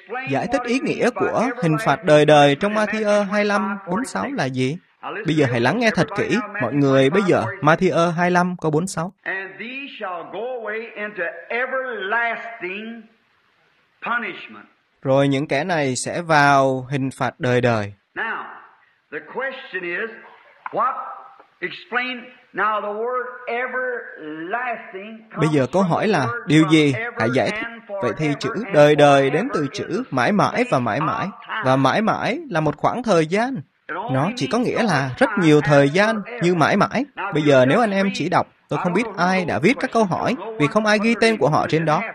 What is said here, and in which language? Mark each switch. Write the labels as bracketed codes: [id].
[vi] Giải thích ý nghĩa của hình phạt đời đời trong Ma-thi-ơ 25:46 là gì? Bây giờ hãy lắng nghe thật kỹ, mọi người, bây giờ, Ma-thi-ơ 25:46. [en] And these shall go away into everlasting punishment. [vi] Rồi những kẻ này sẽ vào hình phạt đời đời. [en] Now, the question is, what explain now the word everlasting? [vi] Bây giờ câu hỏi là điều gì? Hãy giải thích. Vậy thì chữ đời đời đến từ chữ mãi mãi và mãi mãi. Và mãi mãi là một khoảng thời gian. Nó chỉ có nghĩa là rất nhiều thời gian như mãi mãi. Bây giờ nếu anh em chỉ đọc, tôi không biết ai đã viết các câu hỏi, vì không ai ghi tên của họ trên đó.